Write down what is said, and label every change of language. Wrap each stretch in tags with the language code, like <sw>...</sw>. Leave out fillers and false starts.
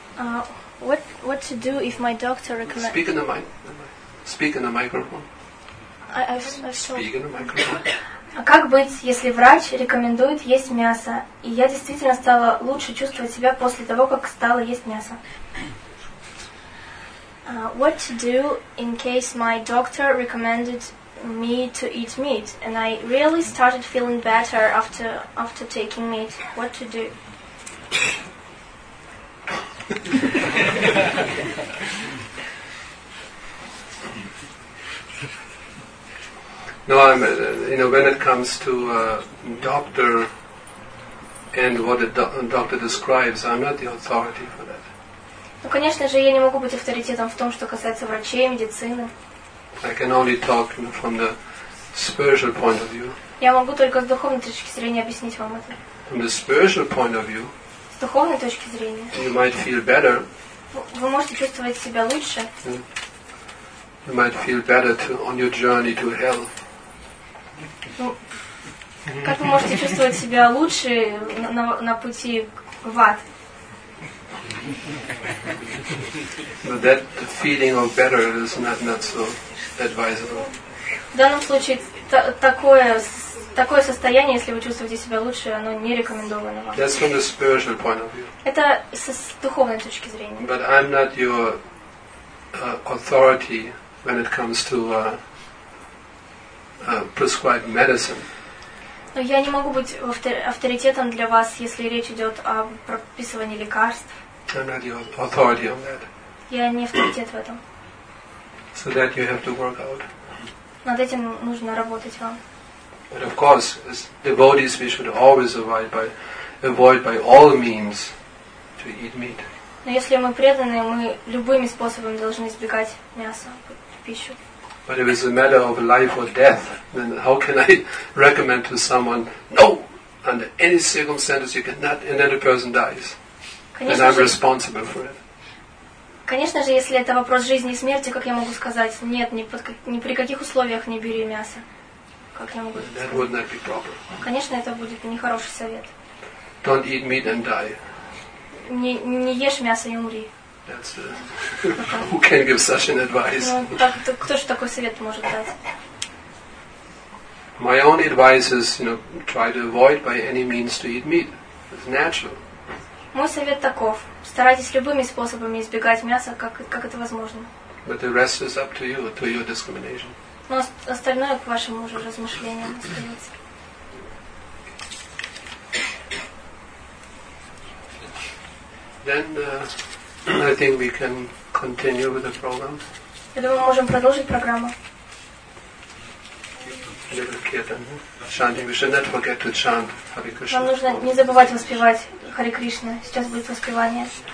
<en>What to do if my doctor recommends? Speak in the mic. Speak in the microphone. Speak in the microphone.</en> <ru>Как быть, если врач рекомендует есть мясо, и я действительно стала лучше чувствовать себя после того, как стала есть мясо?</ru> <en>What to do in case my doctor recommended me to eat meat, and I really started feeling better after taking meat? What to do? No, I'm. You know, when it comes to doctor and what a doctor describes, I'm not the authority for that.</en> <ru>Ну, конечно же, я не могу быть авторитетом в том, что касается врачей, медицины.</ru> <en>I can only talk from the spiritual point of view.</en> <ru>Я могу только с духовной точки зрения объяснить вам это.</ru> <en>From the spiritual point of view.</en> <ru>С духовной точки зрения.</ru> <en>You might feel better.</en> <ru>Вы можете чувствовать себя лучше.</ru> <en>You might feel better on your journey to hell.</en> <ru>Как вы можете чувствовать себя лучше на пути в ад?</ru> <en>But that feeling of better is not so advisable.</en> <ru>В данном случае такое состояние, если вы чувствуете себя лучше, оно не рекомендовано вам.</ru> <en>That's from the spiritual point of view.</en> <ru>Это с духовной точки зрения.</ru> <en>But I'm not your authority when it comes to prescribed medicine.</en> <ru>Но я не могу быть авторитетом для вас, если речь идет о прописывании лекарств.</ru> <en>I'm not your authority on that.</en> <ru>Я не авторитет в этом.</ru> <en>So that you have to work out.</en> <ru>Над этим нужно работать вам.</ru> <en>But of course, as devotees, we should always avoid by all means to eat meat.</en> <ru>Но если мы преданные, мы любыми способами должны избегать мяса, пищу.</ru> <en>But if it's a matter of life or death, then how can I recommend to someone, no, under any circumstances you cannot, and then the person dies, and I'm responsible for it.</en> <ru>Конечно же, если это вопрос жизни и смерти, как я могу сказать, нет, ни при каких условиях не бери мясо.</ru> <en>That would not be proper.</en> <ru>Конечно, это будет нехороший совет.</ru> <en>Don't eat meat and die.</en> <ru>Не ешь мясо и умри.</ru> <en>That's who can give such an advice?</en> <ru>Кто же такой совет может дать?</ru> <en>My own advice is, try to avoid by any means to eat meat. It's natural.</en> <ru>Мой совет таков. Старайтесь любыми способами избегать мяса, как это возможно.</ru> <en>But the rest is up to you, to your discrimination.</en> <ru>Но остальное к вашим уже размышлениям остается.</ru> <en>Then I think we can continue with the program.</en> <ru>Я думаю, мы можем продолжить программу.</ru> <en>Shanti, we should not forget to chant Hare Krishna.</en> <ru>Вам нужно не забывать воспевать Харе Кришна. Сейчас будет воспевание.</ru>